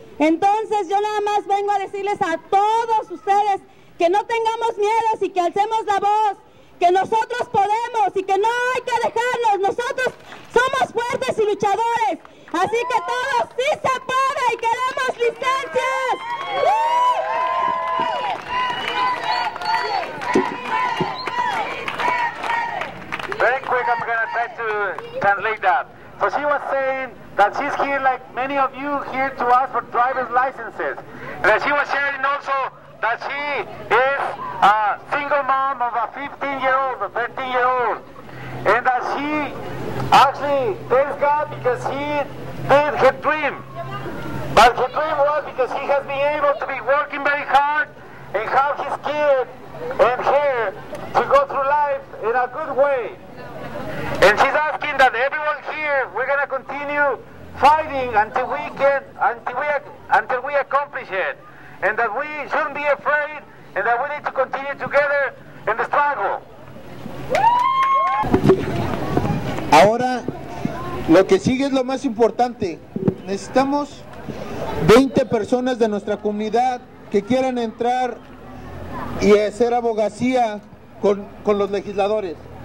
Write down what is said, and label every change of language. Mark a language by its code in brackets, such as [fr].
[es] Entonces yo nada más vengo a decirles a todos ustedes que no tengamos miedos y que alcemos la voz. Que nosotros podemos y que no hay que dejarnos. Nosotros somos fuertes y luchadores. Así que todos, sí se puede y queremos licencias. [en] Very quick, I'm going to try to translate that. So she was saying that she's here, like many of you, here to ask for driver's licenses. And she was sharing also that she is a single mom of a 15-year-old, a 13-year-old, and that she actually thanks God because he did her dream. But her dream was because he has been able to be working very hard and have his kid and her to go through life in a good way. And she's asking that everyone here, we're going to continue fighting until we accomplish it. And that we shouldn't be afraid, and that we need to continue together in the struggle. [es] Ahora, lo que sigue es lo más importante. Necesitamos 20 personas de nuestra comunidad que quieran entrar y hacer abogacía con los legisladores.